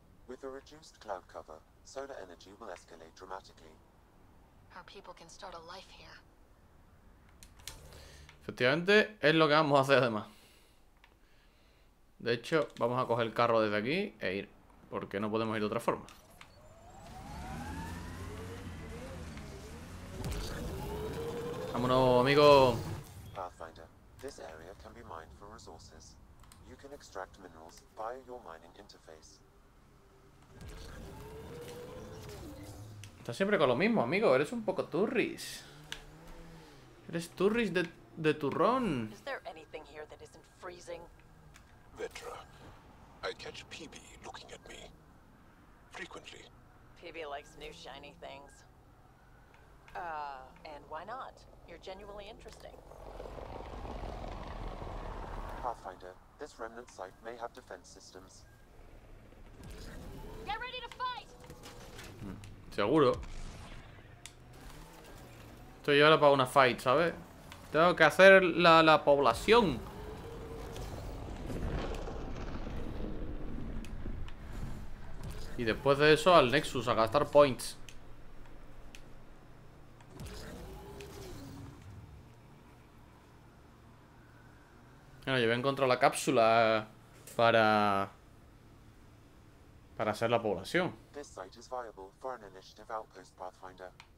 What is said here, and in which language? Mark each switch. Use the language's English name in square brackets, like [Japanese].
[English] With a reduced cloud cover, solar energy will escalate dramatically. Our people can start a life here. [Spanish] Efectivamente, es lo que vamos a hacer además. De hecho, vamos a coger el carro desde aquí e ir, porque no podemos ir de otra forma. Vámonos, amigo. [English] Pathfinder, this area can be mined for resources. You can extract minerals via your mining interface. [Spanish] Estás siempre con lo mismo, amigo. Eres un poco turris. Eres turris de turrón. ¿Hay algo aquí? [English] freezing. Vetra, I catch PB looking at me. Frequently. PB likes new shiny things. And why not? You're genuinely interesting. Pathfinder, this remnant site may have defense systems. Get ready to fight! [Spanish] Seguro. Estoy yo ahora para una fight, ¿sabes? Tengo que hacer la población. Y después de eso al Nexus a gastar points. Bueno, yo voy a encontrar la cápsula para hacer la población. [English] This site is viable for an initiative outpost, Pathfinder.